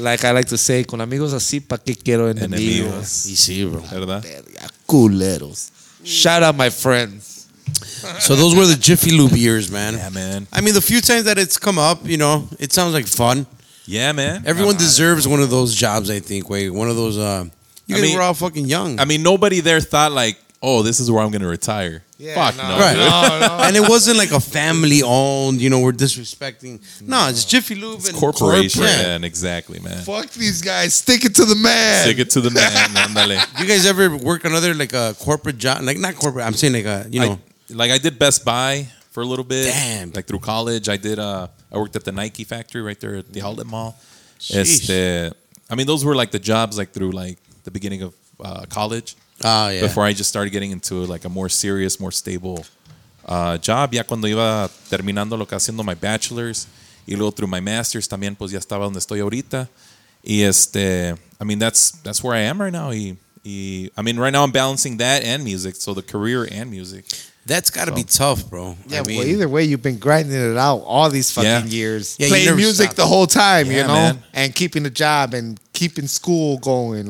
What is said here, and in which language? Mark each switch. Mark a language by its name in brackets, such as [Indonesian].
[English] Like I like to say, [Spanish] con amigos así, pa que quiero enemigos. Y sí, bro. ¿Verdad? [English] Culeros. Shout out my friends. So those were the Jiffy Lube years, man. Yeah, man. I mean, the few times that it's come up, you know, it sounds like fun. Yeah, man. Everyone deserves one of those jobs, I think. Wait, one of those. You guys were all fucking young. I mean, nobody there thought like, oh, this is where I'm going to retire. Yeah, fuck no. Right. No. And it wasn't like a family owned, you know, we're disrespecting. No, it's Jiffy Lube. It's corporation. Yeah, exactly, man. Fuck these guys. Stick it to the man. Stick it to the man. Andale. You guys ever work another like a corporate job? Like not corporate. I'm saying like a, you know. I did Best Buy for a little bit. Damn. Like through college. I did, I worked at the Nike factory right there at the outlet mall. Sheesh. I mean, those were like the jobs like through like the beginning of college. Ah, yeah. Before I just started getting into like a more serious, more stable job. [Spanish] Ya cuando iba terminando lo que haciendo [English] my bachelor's [Spanish] y luego [English] through my master's [Spanish] también, pues ya estaba donde estoy ahorita. [English] Y I mean, that's where I am right now. I mean, right now I'm balancing that and music. So the career and music. That's got to be tough, bro. Yeah, I mean, well, either way, you've been grinding it out all these fucking years. Yeah, playing music the whole time, you know? Man. And keeping a job and keeping school going.